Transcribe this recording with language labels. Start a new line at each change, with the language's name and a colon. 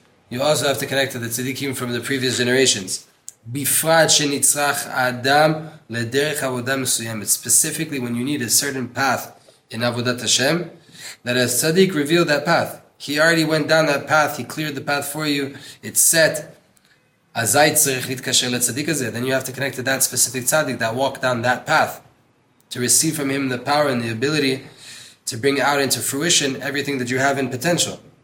English: You also have to connect to the tzaddikim from the previous generations.
Hebrew: בפרט שנצרח האדם לדרך עבודה מסוימת.
English: Specifically when you need a certain path in עבודת השם, that a tzaddik revealed that path. He already went down that path. He cleared the path for you. It's set.
Hebrew: Azay tzarech litkasher letzaddik hazeh.
English: Then you have to connect to that specific tzaddik that walked down that path to receive from him the power and the ability to bring out into fruition everything that you have in potential.